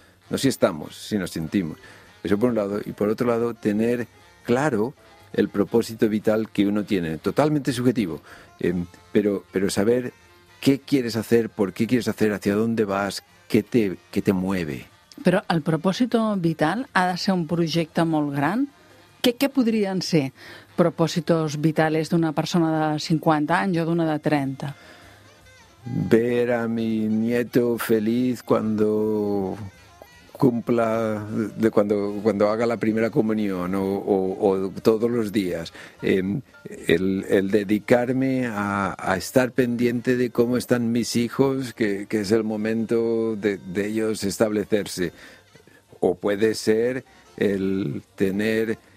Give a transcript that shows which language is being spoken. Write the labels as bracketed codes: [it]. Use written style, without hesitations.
[es] No si estamos, si nos sentimos. Eso por un lado. Y por otro lado, tener claro el propósito vital que uno tiene. Totalmente subjetivo. Pero saber qué quieres hacer, por qué quieres hacer, hacia dónde vas, qué te mueve. [ca] Però el propòsit vital ha de ser un projecte molt gran. Què podrien ser propòsits vitals d'una persona de 50 anys o d'una de 30? [es] Ver a mi nieto feliz cuando cumpla, cuando haga la primera comunión o todos los días. El dedicarme a estar pendiente de cómo están mis hijos, que es el momento de ellos establecerse. O puede ser el tener